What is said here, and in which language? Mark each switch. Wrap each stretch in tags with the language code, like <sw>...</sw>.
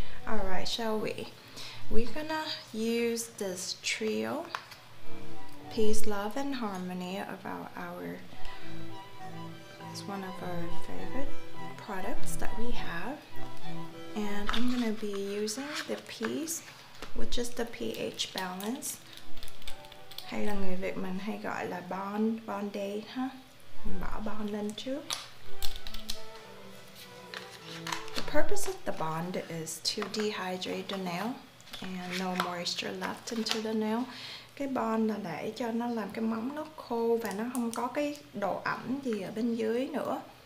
<en>All right, shall we? We're gonna use this trio, Peace, Love, and Harmony, of our, it's one of our favorite products that we have, and I'm going to be using the piece, which is the pH balance.</en> <vi>Hay là người Việt mình hay gọi là bond aid ha. Mình bỏ bond lên trước.</vi> <en>The purpose of the bond is to dehydrate the nail and no moisture left into the nail.</en> <vi>Cái bond là để cho nó làm cái móng nó khô và nó không có cái độ ẩm gì ở bên dưới nữa.</vi>